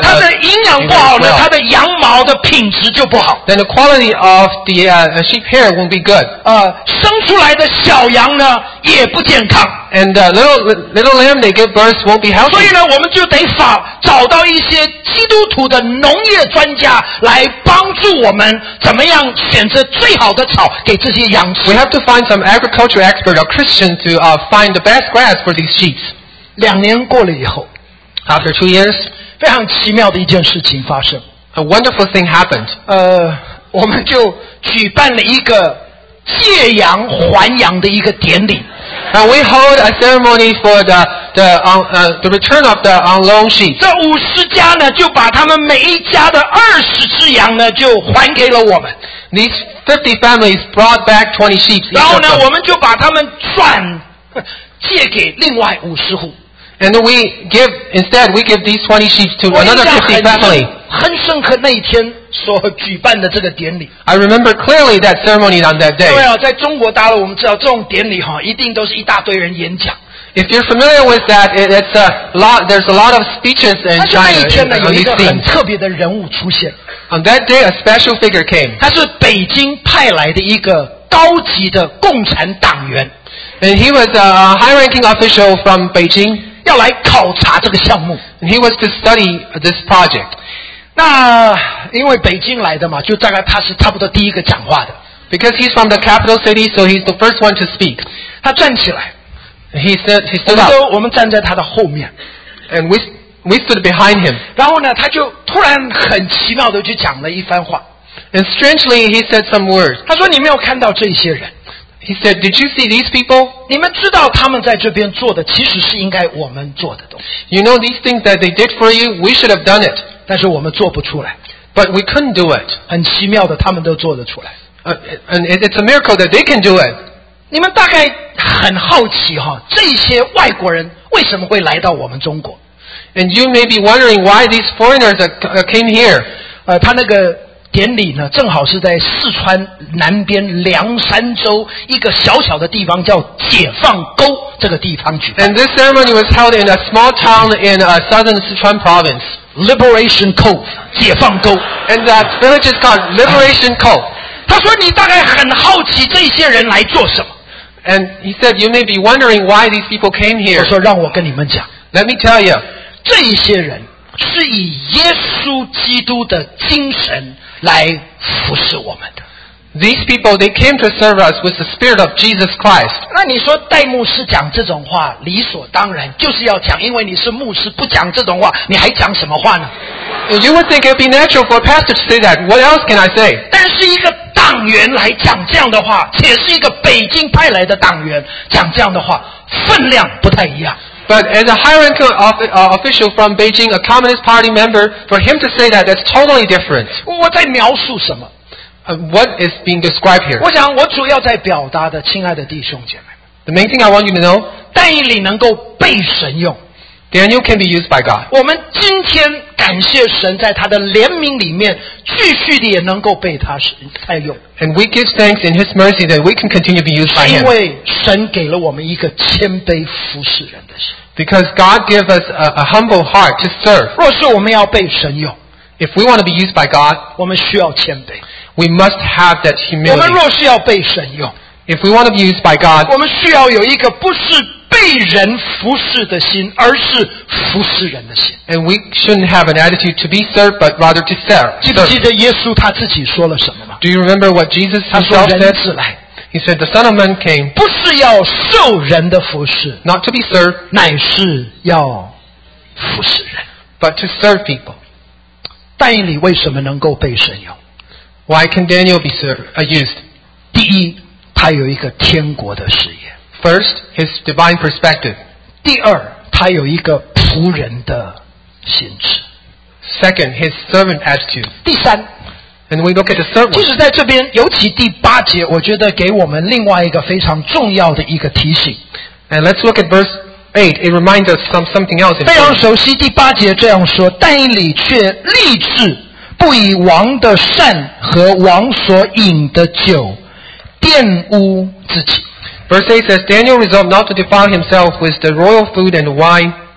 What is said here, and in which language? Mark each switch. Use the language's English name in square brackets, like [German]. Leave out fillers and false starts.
[Chinese] 它的营养不好呢，它的羊毛的品质就不好。 [English] Then the quality of the sheep hair won't be good. [Chinese] 生出来的小羊呢也不健康。 [English] And the little lamb they give birth won't be healthy. [Chinese] 所以呢，我们就得找到一些基督徒的农业专家来帮助我们，怎么样选择最好的草给这些羊吃。 [English] We have to find some agricultural expert or Christian to find the best grass for these sheep. [Chinese] 两年过了以后 [English] ，After 2 years， [Chinese] 非常奇妙的一件事情发生。 [English] A wonderful thing happened. [Chinese] 我们就举办了一个借羊还羊的一个典礼。 [English] And we hold a ceremony for the return of the unloaned sheep. [Chinese] 这五十家呢，就把他们每一家的20只羊呢，就还给了我们。 [English] These 50 families brought back 20 sheep. [Chinese] 然后呢，我们就把他们转借给另外50户。 [English] And we give instead we give these 20 sheep to another 50 family. [Chinese] 很深刻那一天所举办的这个典礼。 [English] I remember clearly that ceremony on that day. [Chinese] 对啊，在中国大陆，我们知道这种典礼哈，一定都是一大堆人演讲。 [English] If you're familiar with that, it's a lot. There's a lot of speeches in China. [Chinese] 那一天呢，有一个很特别的人物出现。 [English] On that day, a special figure came. [Chinese] 他是北京派来的一个高级的共产党员。 [English] And he was a high-ranking official from Beijing. [Chinese] 要来考察这个项目。 [English] And he was to study this project. [Chinese] 那因为北京来的嘛，就大概他是差不多第一个讲话的。 [English] Because he's from the capital city, so he's the first one to speak. [Chinese] 他站起来。 [English] He stood up. [Chinese] 我们站在他的后面。 [English] And we stood behind him. [Chinese] 然后呢，他就突然很奇妙的就讲了一番话。 [English] And strangely, he said some words. [Chinese] 他说：“你没有看到这些人。” [English] He said, "Did you see these people?" [Chinese] 你们知道他们在这边做的其实是应该我们做的东西。 [English] You know these things that they did for you, we should have done it. [Chinese] 但是我们做不出来。 [English] But we couldn't do it. [Chinese] 很奇妙的，他们都做得出来。 [English] And it's a miracle that they can do it. [Chinese] 你们大概很好奇哈，这些外国人为什么会来到我们中国 [English] ？And you may be wondering why these foreigners came here. [Chinese] 他那个。典礼呢，正好是在四川南边凉山州一个小小的地方叫解放沟这个地方举办。 [English] And this ceremony was held in a small town in southern Sichuan province. Liberation Cove, 解放沟。 And that village is called Liberation Cove. [Chinese] 他说你大概很好奇这些人来做什么。 [English] And he said you may be wondering why these people came here. [Chinese] 我说让我跟你们讲。 [English] Let me tell you, [Chinese] 这些人是以耶稣基督的精神来服侍我们的。 [English] These people, they came to serve us with the Spirit of Jesus Christ. [Chinese] 那你说戴牧师讲这种话理所当然就是要讲因为你是牧师不讲这种话你还讲什么话呢 [English] You would think it would be natural for a pastor to say that. What else can I say? [Chinese] 但是一个党员来讲这样的话且是一个北京派来的党员讲这样的话分量不太一样。 [English] But as a high-ranking official from Beijing, a Communist Party member, for him to say that, that's totally different. [Chinese] 我在描述什么 [English] What is being described here? [Chinese] 我想我主要在表达的亲爱的弟兄姐妹 [English] The main thing I want you to know [Chinese] 但以理能够被神用 [English] Daniel can be used by God [Chinese] 我们今天感谢神在他的怜悯里面继续的也能够被他再用 [English] And we give thanks in his mercy that we can continue to be used by him [Chinese] 因为神给了我们一个谦卑服侍人的心 [English] Because God gives us a humble heart to serve [Chinese] 若是我们要被神用 [English] If we want to be used by God [Chinese] 我们需要谦卑 [English] We must have that humility. [Chinese] 我们若是要被神用 [English] If we want to be used by God, [Chinese] 我们需要有一个不是被人服侍的心而是服侍人的心 [English] And we shouldn't have an attitude to be served, but rather to serve. [Chinese] 记不记得耶稣他自己说了什么吗 [English] Do you remember what Jesus himself said? [Chinese] 他说人子来 [English] He said, the Son of Man came, [Chinese] 不是要受人的服侍 [English] not to be served, [Chinese] 乃是要服侍人 [English] but to serve people. [Chinese] 但以理为什么能够被神用 [English] Why can Daniel be used? [Chinese] 第一，他有一个天国的视野。 [English] First, his divine perspective. [Chinese] 第二，他有一个仆人的心智。 [English] Second, his servant attitude. [Chinese] 第三 [English] ，And we look at the third one. [Chinese] 其实在这边，尤其第八节，我觉得给我们另外一个非常重要的一个提醒。 [English] And let's look at verse 8. It reminds us of something else. [Chinese] 非常熟悉第八节这样说，但以理却立志。不以王的膳和王所饮的酒玷污自己。 [English] Verse 8 says, Daniel resolved not to defile himself with the royal food and wine.、